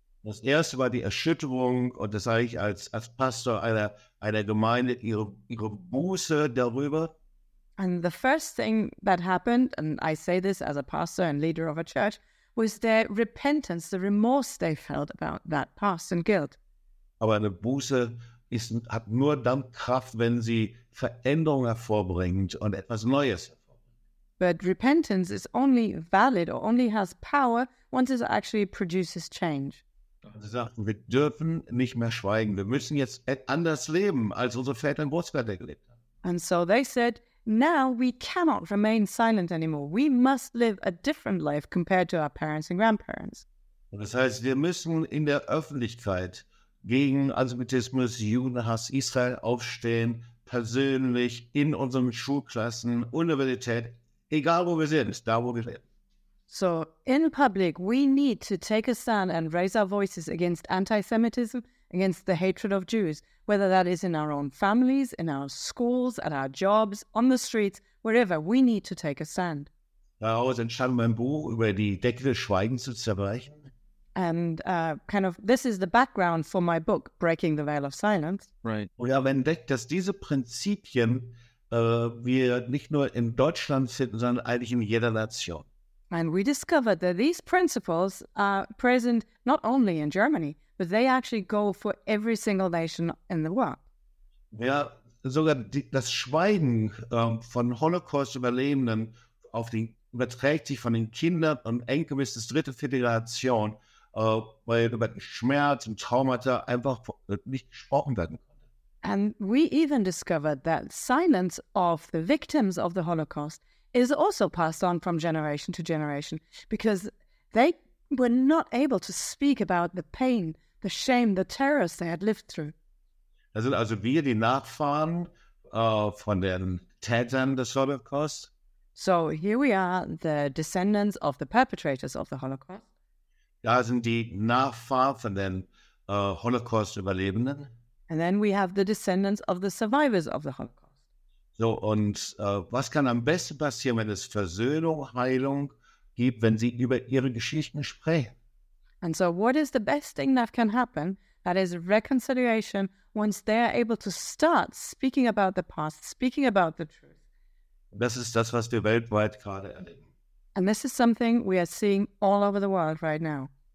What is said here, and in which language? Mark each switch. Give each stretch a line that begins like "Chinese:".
German: Das erste war die Erschütterung, und das sage ich als Pastor einer Gemeinde, ihre Buße darüber.
English: And the first thing that happened, and I say this as a pastor and leader of a church, was their repentance, the remorse they felt about that past and guilt.
German: Aber eine Buße hat nur dann Kraft, wenn sie Veränderung hervorbringt und etwas Neues.
English: But repentance is only valid or only has power once it actually produces change.
German: Sie sagten, wir dürfen nicht mehr schweigen. Wir müssen jetzt anders leben, als unsere Väter und Großväter gelebt haben.
English: And so they said, now we cannot remain silent anymore. We must live a different life compared to our parents and grandparents.
German: Und das heißt, wir müssen in der Öffentlichkeit gegen Antisemitismus, Judenhass, Israel aufstehen, persönlich, in unseren Schulklassen, Universität, egal wo wir sind, da wo wir leben.
English: So, in public, we need to take a stand and raise our voices against anti-Semitism, against the hatred of Jews, whether that is in our own families, in our schools, at our jobs, on the streets, wherever, we need to take a stand.
German: Daraus entstand mein Buch, über die Decke des Schweigens zu zerbrechen.
English: And kind of, this is the background for my book, Breaking the Veil of Silence. Right.
German: Und ich habe entdeckt, dass diese Prinzipien wir nicht nur in Deutschland finden, sondern eigentlich in jeder Nation.
English: And we discovered that these principles are present not only in Germany, but they actually go for every single nation in the world.
German: Ja, sogar das Schweigen von Holocaust-Überlebenden überträgt sich von den Kindern und Enkeln bis zur dritten Generation, weil über Schmerz und Traumata einfach nicht gesprochen werden konnte.
English: And we even discovered that silence of the victims of the Holocaust is also passed on from generation to generation because they were not able to speak about the pain, the shame, the terrors they had lived through.
German: Das sind also wir, die Nachfahren von den Tätern des Holocaust.
English: So here we are, the descendants of the perpetrators of the Holocaust.
German: Da sind die Nachfahren von den Holocaust-Überlebenden.
English: And then we have the descendants of the survivors of the Holocaust.
German: So, und was kann am besten passieren, wenn es Versöhnung, Heilung gibt, wenn sie über ihre Geschichten sprechen?
English: And so, what is the best thing that can happen? That is reconciliation, once they are able to start speaking about the past, speaking about the truth.
German: Das ist das, was wir weltweit gerade erleben.
English: And this is something we are seeing all over the world right now.